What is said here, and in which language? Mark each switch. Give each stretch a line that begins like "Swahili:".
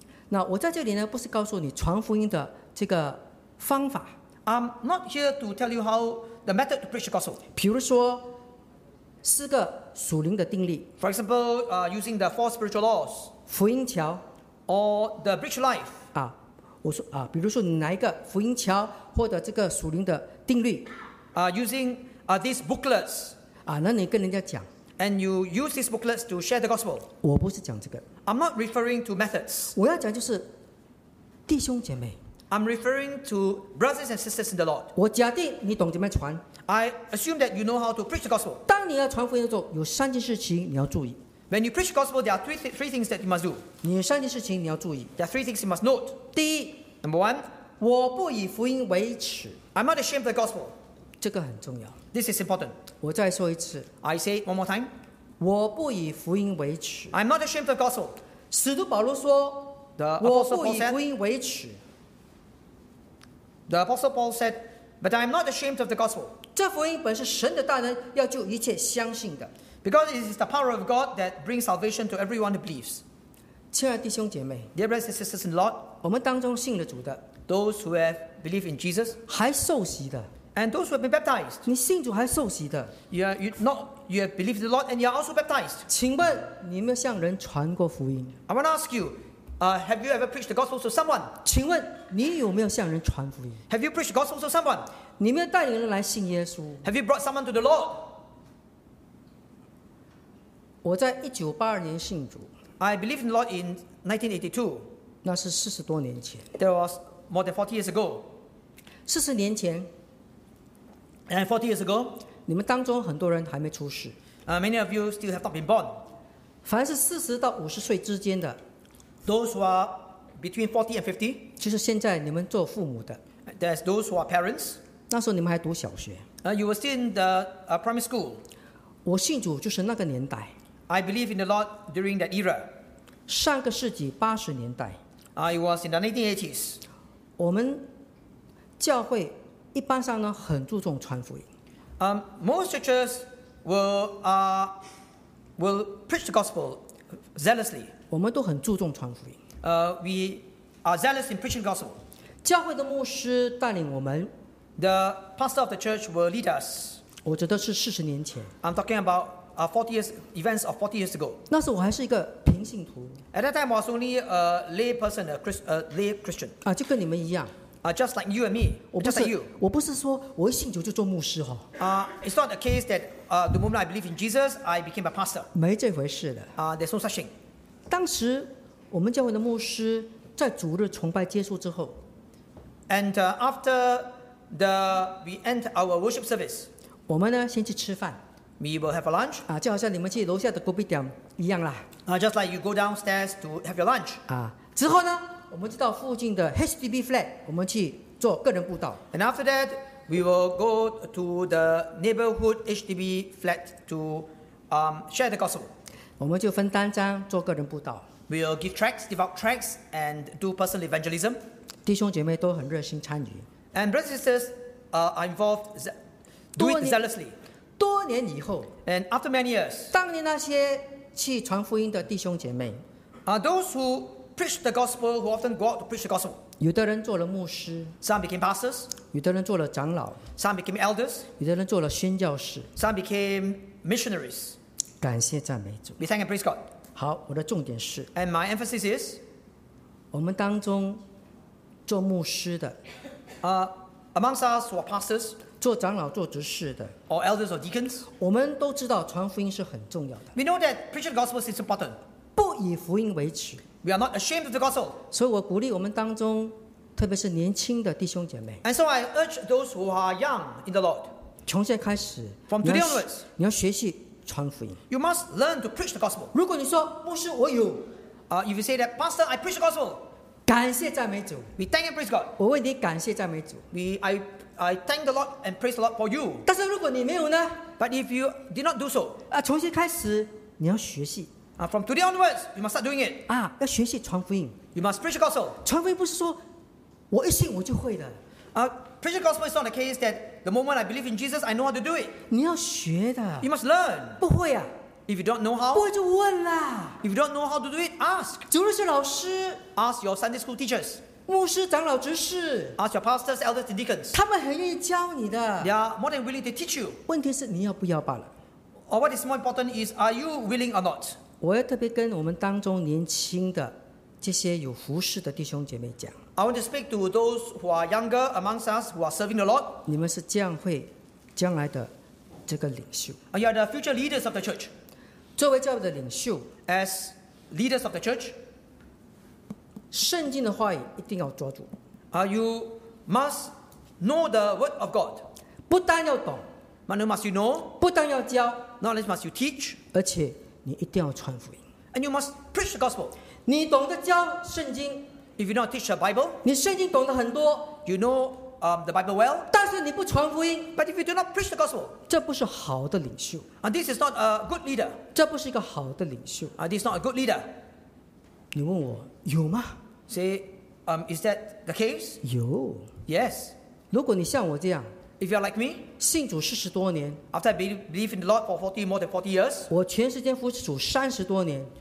Chinese: 那我在这里呢，不是告诉你传福音的这个方法。
English: I'm not here to tell you how the method to preach the gospel.
Chinese: 比如说。四个属灵的定律。
English: For example, using the four spiritual laws.
Chinese: 福音桥。
English: Or the bridge life.
Chinese: 啊，我说啊，比如说你拿一个福音桥或者这个属灵的定律。
English: Using these booklets.
Chinese: 啊，那你跟人家讲。
English: And you use these booklets to share the gospel.
Chinese: 我不是讲这个。
English: I'm not referring to methods.
Chinese: 我要讲就是弟兄姐妹。
English: I'm referring to brothers and sisters in the Lord.
Chinese: 我假定你懂怎么传。
English: I assume that you know how to preach the gospel.
Chinese: 当你要传福音的时候，有三件事情你要注意。
English: When you preach the gospel, there are three things that you must do.
Chinese: 你有三件事情你要注意。
English: There are three things you must note.
Chinese: 第一
English: ，Number one，
Chinese: 我不以福音为耻。
English: I'm not ashamed of the gospel.
Chinese: 这个很重要。
English: This is important.
Chinese: 我再说一次。
English: I say it one more time.
Chinese: 我不以福音为耻。
English: I'm not ashamed of the gospel.
Chinese: 使徒保罗说
English: ，The apostle Paul said，
Chinese: 我不以福音为耻。
English: The apostle Paul said， But I'm not ashamed of the gospel.
Chinese: 这福音本是神的大能，要救一切相信的。
English: Because it is the power of God that brings salvation to everyone who believes.
Chinese: 亲爱的弟兄姐妹
English: ，Dear brothers and sisters in the Lord，
Chinese: 我们当中信了主的
English: ，Those who have believed in Jesus，
Chinese: 还受洗的
English: ，And those who have been baptized，
Chinese: 你信主还受洗的
English: ，You have believed the Lord and you are also baptized.
Chinese: 请问你有没有向人传过福音
English: ？I want to ask you, have you ever preached the gospel to someone？
Chinese: 请问你有没有向人传福音
English: ？Have you preached the gospel to someone？
Chinese: 你们带领人来信耶稣。
English: Have you brought someone to the Lord?
Chinese: 我在1982年信主。
English: I believed in the Lord in 1982.
Chinese: 那是四十多年前。
English: That was more than 40 years ago.
Chinese: 四十年前。
English: And 40 years ago.
Chinese: 你们当中很多人还没出世。
English: Many of you still have not been born.
Chinese: 凡是四十到五十岁之间的。
English: Those who are between 40 and 50.
Chinese: 就是现在你们做父母的。
English: There's those who are parents.
Chinese: 那时候你们还读小学。
English: You were still in the primary school.
Chinese: 我信主就是那个年代。
English: I believe in the Lord during that era.
Chinese: 上个世纪八十年代。
English: It was in the 1980s.
Chinese: 我们教会一般上呢很注重传福音。
English: Most churches will preach the gospel zealously.
Chinese: 我们都很注重传福音。
English: We are zealous in preaching the gospel.
Chinese: 教会的牧师带领我们。
English: The pastor of the church will lead us.
Chinese: 我觉得是四十年前。
English: I'm talking about events of 40 years ago.
Chinese: 那时我还是一个平信徒。
English: At that time, I was only a lay Christian.
Chinese: 啊，就跟你们一样。
English: Just like you and me. Just like you.
Chinese: 我不是说我一信主就做牧师哈。
English: It's not a case that the moment I believe in Jesus, I became a pastor.
Chinese: 没这回事的。
English: There's no such thing.
Chinese: 当时我们教会的牧师在主日崇拜结束之后
English: ，and after we end our worship service,
Chinese: 我们呢先去吃饭。
English: We will have a lunch.
Chinese: 就好像你们去楼下的 coffee 店一样啦。
English: Just like you go downstairs to have your lunch.
Chinese: 之后呢？我们就到附近的 HDB flat， 我们去做个人步道。
English: And after that, we will go to the neighborhood HDB flat to share the gospel.
Chinese: 我们就分单张做个人步道。
English: We will give tracts, give out tracts, and do personal evangelism.
Chinese: 弟兄姐妹都很热心参与。
English: And brothers and sisters are involved, do it zealously.
Chinese: 多年以后
English: ，And after many years,
Chinese: 当年那些去传福音的弟兄姐妹
English: those who preach the gospel, who often go out to preach the gospel.
Chinese: 有的人做了牧师，
English: some became pastors.
Chinese: 有的人做了长老，
English: some became elders.
Chinese: 有的人做了宣教士，
English: some became missionaries.
Chinese: 感谢赞美主。
English: We thank and praise God.
Chinese: 好，我的重点是。
English: And my emphasis is,
Chinese: 我们当中做牧师的，
English: amongst us who are pastors,
Chinese: 做长老做执事的，
English: or elders or deacons,
Chinese: 我们都知道传福音是很重要的。
English: We know that preaching the gospel is important.
Chinese: 不以福音为耻。
English: We are not ashamed of the gospel.
Chinese: 所以我鼓励我们当中，特别是年轻的弟兄姐妹。
English: And so I urge those who are young in the Lord.
Chinese: 从现在开始
English: ，from today onwards,
Chinese: 你要学习传福音。
English: You must learn to preach the gospel.
Chinese: 如果你说牧师我有，
English: if you say that pastor I preach the gospel,
Chinese: 感谢赞美主。
English: We thank and praise God.
Chinese: 我为你感谢赞美主。
English: I thank the Lord and praise the Lord for you.
Chinese: 但是如果你没有呢
English: ？But if you did not do so,
Chinese: 从现在开始你要学习。
English: From today onwards, you must start doing it.
Chinese: 要学习传福音。
English: You must preach the gospel.
Chinese: 传福音不是说我一信我就会的。
English: Preaching the gospel is not the case that the moment I believe in Jesus, I know how to do it.
Chinese: 你要学的。
English: You must learn.
Chinese: 不会啊。
English: If you don't know how,
Chinese: 不会就问啦。
English: If you don't know how to do it, ask.
Chinese: 主日学老师。
English: Ask your Sunday school teachers.
Chinese: 牧师、长老、执事。
English: Ask your pastors, elders, and deacons.
Chinese: 他们很愿意教你的。
English: They are more than willing to teach you.
Chinese: 问题是你要不要罢了。
English: Or what is more important is, are you willing or not?
Chinese: 我要特别跟我们当中年轻的这些有服事的弟兄姐妹讲。
English: I want to speak to those who are younger amongst us who are serving the Lord.
Chinese: 你们是教会将来的这个领袖。
English: You are the future leaders of the church.
Chinese: 作为教会的领袖
English: ，as leaders of the church,
Chinese: 圣经的话语一定要抓住。
English: You must know the word of God.
Chinese: 不但要懂
English: ，but must you know.
Chinese: 不但要教
English: ，not only must you teach.
Chinese: 而且你一定要传福音。
English: And you must preach the gospel.
Chinese: 你懂得教圣经。
English: If you know how to teach the Bible,
Chinese: 你圣经懂得很多。
English: You know the Bible well.
Chinese: 但是你不传福音。
English: But if you do not preach the gospel,
Chinese: 这不是好的领袖。
English: And this is not a good leader.
Chinese: 这不是一个好的领袖。
English: This is not a good leader.
Chinese: 你问我有吗
English: ？Say, is that the case?
Chinese: 有。
English: Yes.
Chinese: 如果你像我这样。
English: If you are like me,
Chinese: 信主四十多年
English: ，after I believe in the Lord for 40 more than 40 years,
Chinese: 我全时间服侍主三十多年